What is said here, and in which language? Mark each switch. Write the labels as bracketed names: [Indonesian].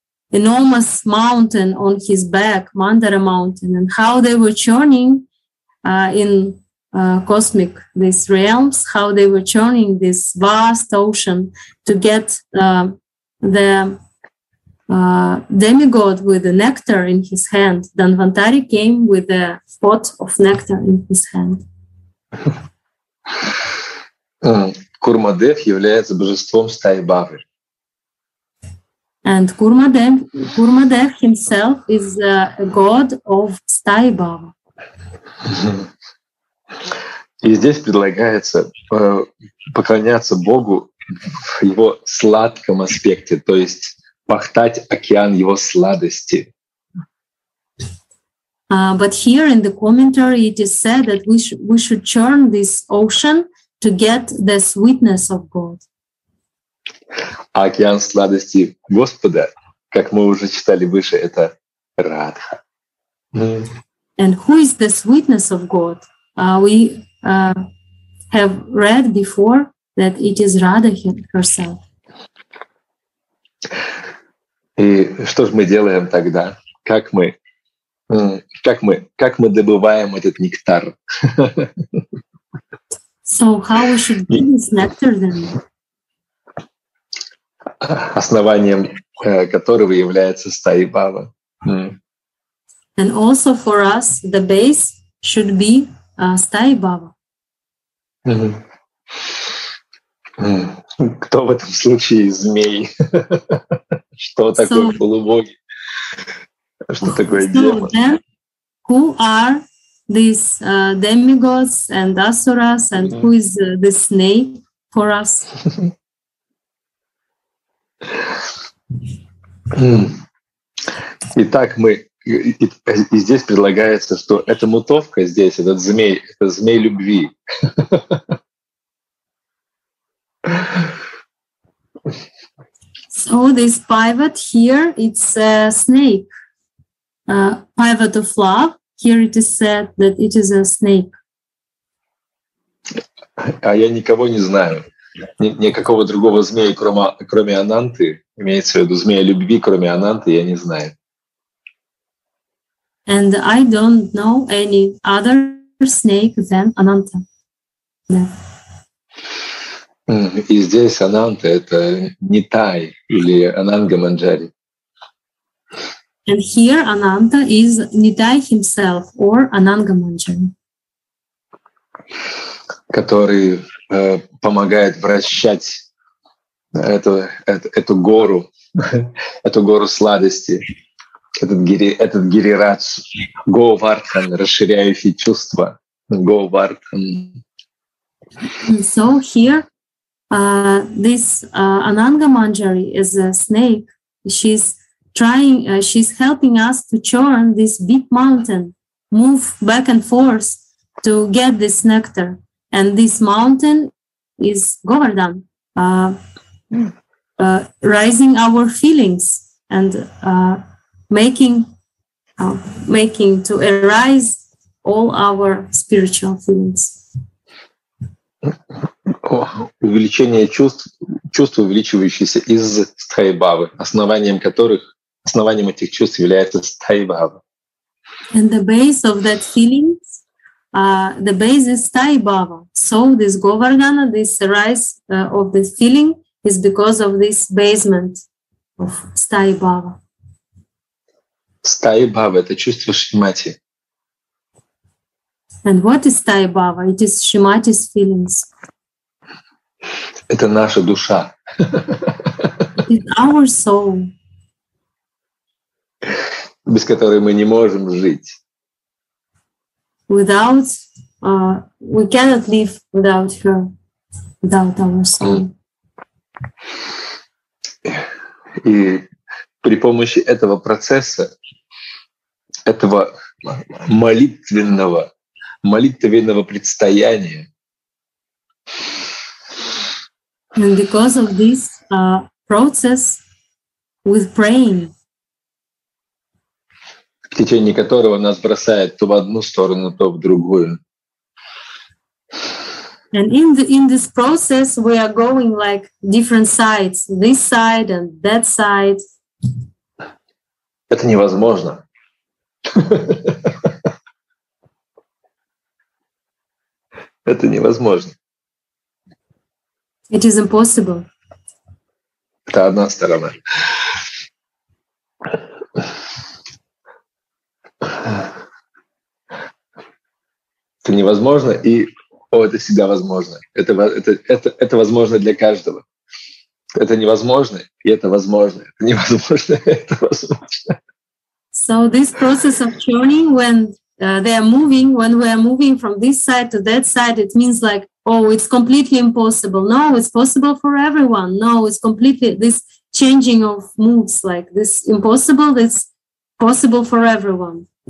[English] enormous mountain on his back, Mandara mountain, and how they were churning in cosmic these realms, how they were churning this vast ocean to get the demigod with the nectar in his hand. Danvantari came with a pot of nectar in his hand. [Russian] Курмадев является божеством стаи Бавы. [English] And Курмадев himself is a god of стаи Бавы. [Russian] И здесь предлагается поклоняться Богу в его сладком аспекте, то есть пахтать океан его сладости. [English] But here in the commentary it is said that we should churn this ocean to get the sweetness of God. [Russian] А океан сладости Господа, как мы уже читали выше, это Радха. [English] And who is the sweetness of God? We have read before that it is Radha herself. [Russian] И что же мы делаем тогда? Как мы добываем этот нектар? [English] So how we should get this nectar then? [Russian] Основанием которого является стаи Бава. [English] And also for us the base should be стаи Бава. [Russian] Кто в этом случае змей? Что такое полубоги? Что такое демон? [English] Who are these demigods and asuras, and mm-hmm. who is the snake for us? [Russian] Итак, мы и здесь предлагается, что эта мутовка здесь, этот змей, это змей любви. [English] So this pivot here, it's a snake. Pivot of love. Here it is said that it is a snake. [Russian] А я никого не знаю. Никакого другого змея, кроме Ананты, имеется в виду змея любви, кроме Ананты, я не знаю. [English] And I don't know any other snake than Ananta. [Russian] И здесь Ананта — это Нитай или Ананга Манджари. [English] And here Ananta is Nitai himself or Ananga Manjari. [Russian] Который помогает вращать эту гору, эту гору сладости, этот гирирадж, Говардхан, расширяющий чувства, Говардхан. [English] So here, this Ananga Manjari is a snake. She's helping us to churn this big mountain, move back and forth to get this nectar. And this mountain is Govardhan, rising our feelings and making to arise all our spiritual feelings. [Russian] Увеличение чувств, увеличивающиеся из стхайбавы, основанием этих чувств является стхайбава. [English] And the base of that feeling. The base is Thai Bhava. So this Govardhana, this rise of the feeling is because of this basement of Thai Bhava. [Russian] Thai Bhava — это чувство Шримати. [English] And what is Thai Bhava? It is Shrimati's feelings. [Russian] Это наша душа. [English] It's our soul. [Russian] Без которой мы не можем жить. [English] Without, we cannot live without her, without our soul. [Russian] И при помощи этого процесса, этого молитвенного предстояния. [English] And because of this process with praying, [Russian] в течение которого нас бросает то в одну сторону, то в другую. [English] And in this process we are going like different sides, this side and that side. [Russian] Это невозможно. Это невозможно. It is impossible. Это одна сторона. Это невозможно, и о, это всегда возможно. Это возможно для каждого. Это невозможно, и это возможно. Это невозможно, и это возможно. [English] So this process of churning, when they are moving, when we are moving from this side to that side, it means like, oh, it's completely impossible. No, it's possible for everyone. No, it's completely this changing of moods, like this impossible, it's possible for everyone.